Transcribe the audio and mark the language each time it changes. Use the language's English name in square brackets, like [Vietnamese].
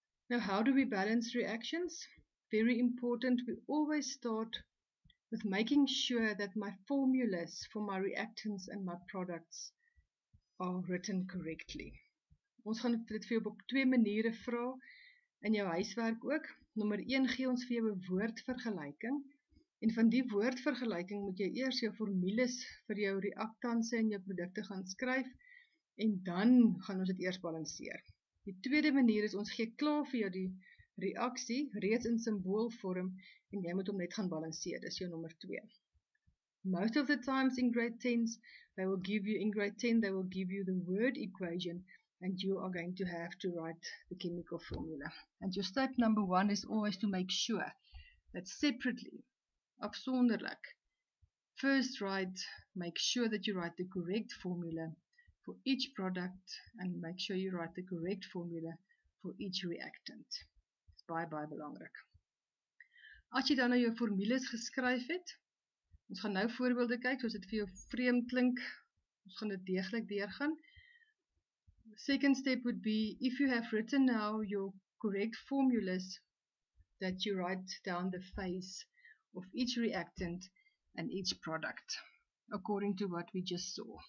[English] Now, how do we balance reactions? Very important, we always start with making sure that my formulas for my reactants and my products are written correctly. [Afrikaans] Ons gaan dit vir jou op twee maniere vra in jou huiswerk ook. Nommer 1 gee ons vir jou 'n woordvergelyking. En van die woordvergelyking moet jy eers jou formules vir jou reaktanse en jou produkte gaan skryf en dan gaan ons dit eers balanseer. Die tweede manier is ons gee klaar vir jou die reaksie reeds in simboolvorm en jy moet hom net gaan balanseer. Dis jou nommer 2. [English] Most of the times in grade 10s, they will give you in grade 10, they will give you the word equation and you are going to have to write the chemical formula. And your step number 1 is always to make sure that separately, afsonderlik, first write, make sure that you write the correct formula for each product and make sure you write the correct formula for each reactant. [Afrikaans] Dit is baie, baie belangrik. As jy dan nou jou formules geskryf het, ons gaan nou voorbeelde kyk, soos dit vir jou vreemd klink, ons gaan dit deeglik deurgaan. [English] Second step would be, if you have written now your correct formulas, that you write down the phase of each reactant and each product, according to what we just saw.